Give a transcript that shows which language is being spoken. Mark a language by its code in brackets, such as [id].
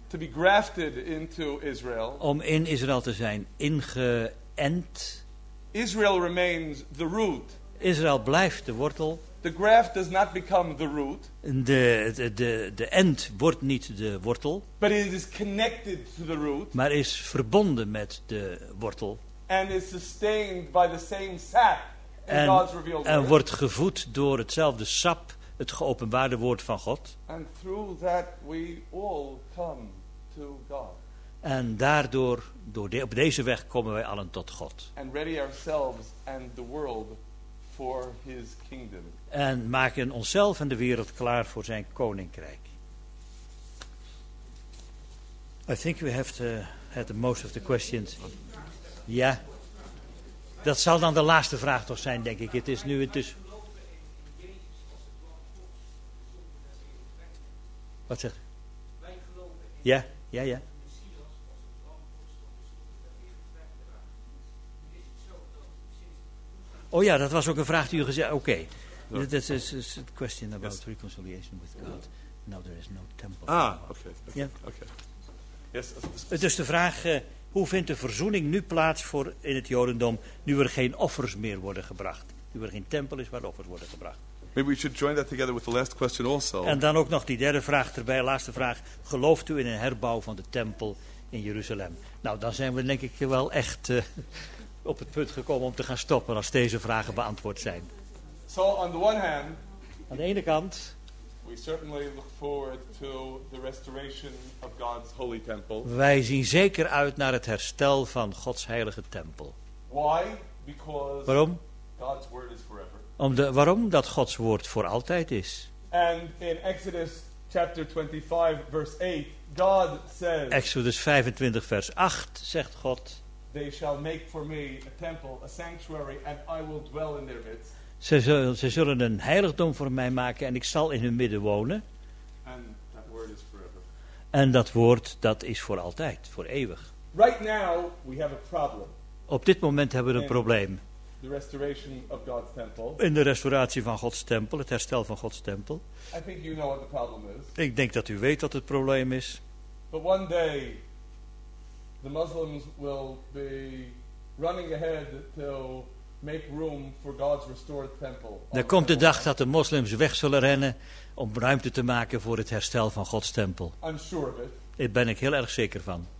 [en] to be grafted into Israel, [nl] om in Israël te zijn ingeënt. [en] Israel remains the root. [nl] Israël blijft de wortel. [en] The graft does not become the root. [nl] De ent wordt niet de wortel. [en] But it is connected to the root. [nl] Maar is verbonden met de wortel. [en] And is sustained by the same sap in God's revealed word. [nl] En wordt gevoed door hetzelfde sap, het geopenbaarde woord van God. [en] And through that we all come to God. [nl] En daardoor, op deze weg komen wij allen tot God. [en] And ready ourselves and the world for his kingdom. [nl] En maken onszelf en de wereld klaar voor zijn koninkrijk. [en] I think we have to had the most of the questions. [nl] Ja. Dat zal dan de laatste vraag toch zijn, denk ik. Het is nu intussen. Wat zeg? Ja, ja, ja. Oh ja, dat was ook een vraag die u gezegd. [en] Oké. Okay. This is a question about yes. Reconciliation with God. Now there is no temple. Ah, oké. Okay. Yeah. Okay. Yes. [nl] Dus de vraag, hoe vindt de verzoening nu plaats voor in het Jodendom, nu er geen offers meer worden gebracht? Nu er geen tempel is waar offers worden gebracht. [en] Maybe we should join that together with the last question also. [nl] En dan ook nog die derde vraag erbij, laatste vraag. Gelooft u in een herbouw van de tempel in Jeruzalem? Nou, dan zijn we denk ik wel echt op het punt gekomen om te gaan stoppen als deze vragen beantwoord zijn. [en] So on the one hand, [nl] aan de ene kant, [en] we certainly look forward to the restoration of God's holy temple. [nl] Wij zien zeker uit naar het herstel van Gods heilige tempel. [en] Why? Because [nl] waarom? [en] God's word is forever. [nl] Waarom? Dat Gods woord voor altijd is. [en] And in Exodus chapter 25 verse 8, God says, [nl] Exodus 25 vers 8 zegt God, [en] they shall make for me a temple, a sanctuary, and I will dwell in their midst. [nl] Ze zullen een heiligdom voor mij maken en ik zal in hun midden wonen. [en] And that word is forever. [nl] En dat woord, dat is voor altijd, voor eeuwig. [en] Right now we have a problem. [nl] Op dit moment hebben we een probleem. [en] The restoration of God's temple. [nl] In de restauratie van Gods tempel, het herstel van Gods tempel. [en] I think you know what the problem is. [nl] Ik denk dat u weet wat het probleem is. [en] But one day, the Muslims will be running ahead to make room for God's restored temple. [nl] Er komt de dag dat de moslims weg zullen rennen om ruimte te maken voor het herstel van Gods tempel. [en] I'm sure of it. [nl] Daar ben ik heel erg zeker van.